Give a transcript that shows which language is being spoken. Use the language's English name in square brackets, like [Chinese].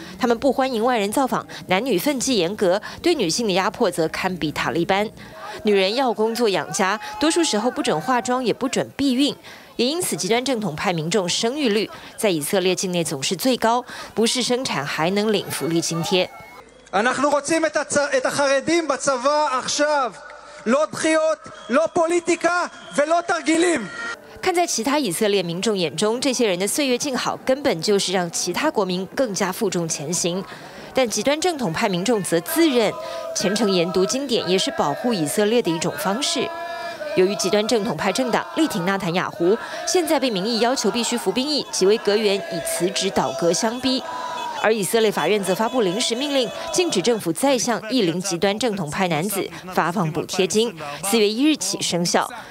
[Chinese] 他们不欢迎外人造访，男女分际严格，对女性的压迫则堪比塔利班。女人要工作养家，多数时候不准化妆，也不准避孕。也因此，极端正统派民众生育率在以色列境内总是最高，不是生产还能领福利津贴。 [Hebrew] אנחנו רוצים את החרדים בצבא עכשיו, לא דחיות, לא פוליטיקה ולא תרגילים. [Chinese] 看在其他以色列民众眼中，这些人的岁月静好根本就是让其他国民更加负重前行，但极端正统派民众则自认虔诚研读经典也是保护以色列的一种方式。由于极端正统派政党力挺纳坦雅胡，现在被民意要求必须服兵役，几位阁员以辞职倒戈相逼，而以色列法院则发布临时命令，禁止政府再向一名极端正统派男子发放补贴金，4月1日起生效。